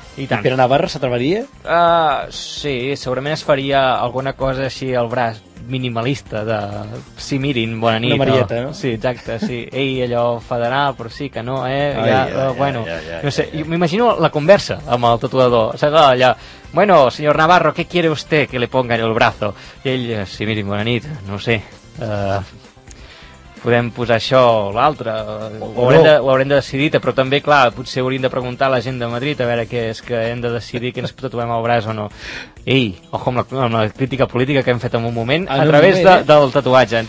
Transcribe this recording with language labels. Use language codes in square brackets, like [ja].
[ca] I tant. I Pere Navarra s'atreveria? Sí, segurament es faria alguna cosa així al braç. minimalista de si mirin, bona nit. Una Marieta, no? Sí, exacte, sí. Ei, allò federà, però sí que no, eh? Ja, m'imagino la conversa amb el tatuador. O sigui, allà, [es] bueno, senyor Navarro, ¿qué quiere usted que le ponga en el brazo? [ca] I ell, si mirin, bona nit, no sé. Podem posar això o l'altre. Ho haurem de decidir, però també, clar, potser hauríem de preguntar a la gent de Madrid a veure què és que hem de decidir, que ens tatuem el braç o no. Ei, ojo amb la crítica política que hem fet en un moment a través del tatuatge.